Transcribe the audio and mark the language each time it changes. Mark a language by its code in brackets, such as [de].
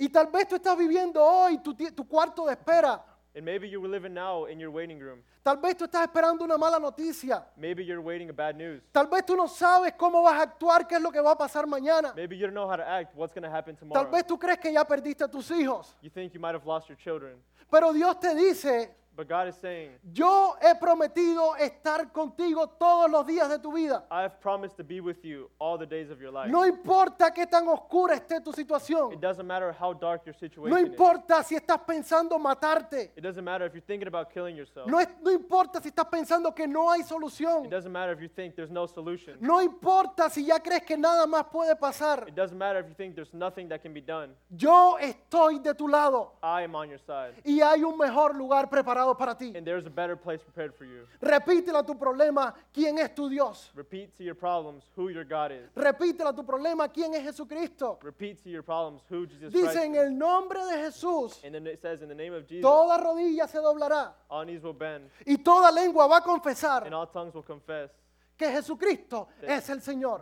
[es] Y tal vez tú estás viviendo hoy tu cuarto de espera. [en] And maybe you're living now in your waiting room. [es] Tal vez tú estás esperando una mala noticia. [en] Maybe you're waiting a bad news. [es] Tal vez tú no sabes cómo vas a actuar, qué es lo que va a pasar mañana. [en] Maybe you don't know how to act, what's going to happen tomorrow. [es] Tal vez tú crees que ya perdiste a tus hijos. [en] You think you might have lost your children. [es] Pero Dios te dice, [en] but God is saying, [es] yo he prometido estar contigo todos los días de tu vida. [en] I have promised to be with you all the days of your life. [es] No importa qué tan oscura esté tu situación. [en] It doesn't matter how dark your situation is. [es] No importa si estás pensando matarte. [en] It doesn't matter if you're thinking about killing yourself. [es] No importa si estás pensando que no hay solución. [en] It doesn't matter if you think there's no solution. [es] No importa si ya crees que nada más puede pasar. [en] It doesn't matter if you think there's nothing that can be done. [es] Yo estoy de tu lado. [en] I am on your side. [es] Y hay un mejor lugar preparado. [en] And there's a better place prepared for you. [es] Repítele a tu problema quién es tu Dios. [en] Repeat to your problems who your God is. [es] Repítele a tu problema quién es Jesucristo. [en] Repeat to your problems who Jesus [es] Dice, [en] Christ is. [es] En el nombre de Jesús. [en] And then it says in the name of Jesus. [es] Toda rodilla se doblará. [en] All knees will bend. [es] Y toda lengua va a confesar. [en] And all tongues will confess. [es] Que Jesucristo es el Señor.